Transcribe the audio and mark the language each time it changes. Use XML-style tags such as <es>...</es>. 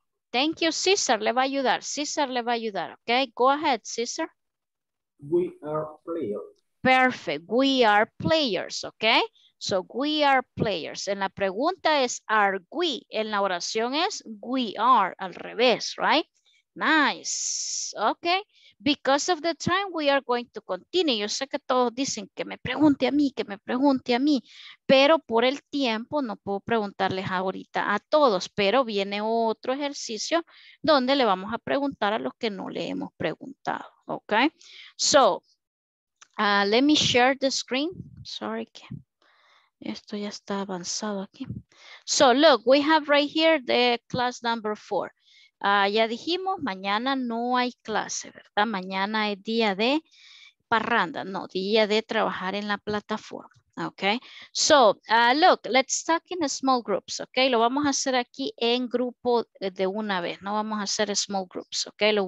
<en>Thank you,</en> <es>Cesar, le va a ayudar. Cesar le va a ayudar, ok.</es> <en>Go ahead,</en> <es>Cesar.</es> <en>We are players. Perfect, we are players, ok. So, we are players.</en> <es>En la pregunta es,</es> <en>are we?</en> <es>En la oración es,</es> <en>we are,</en> <es>al revés, right?</es> <en>Nice, ok. Because of the time, we are going to continue.</en> <es>Yo sé que todos dicen que me pregunte a mí, que me pregunte a mí. Pero por el tiempo no puedo preguntarles ahorita a todos. Pero viene otro ejercicio donde le vamos a preguntar a los que no le hemos preguntado.</es> <en>Ok. So, let me share the screen. Sorry.</en> <es>Esto ya está avanzado aquí.</es> <en>So, look, we have right here the class number 4.</en> <es>Ya dijimos, mañana no hay clase, ¿verdad? Mañana es día de parranda, no, día de trabajar en la plataforma.</es> <en>Okay, so look, let's talk in small groups, okay?</en> <es>Lo vamos a hacer aquí en grupo de una vez, no vamos a hacer small groups, okay?</es>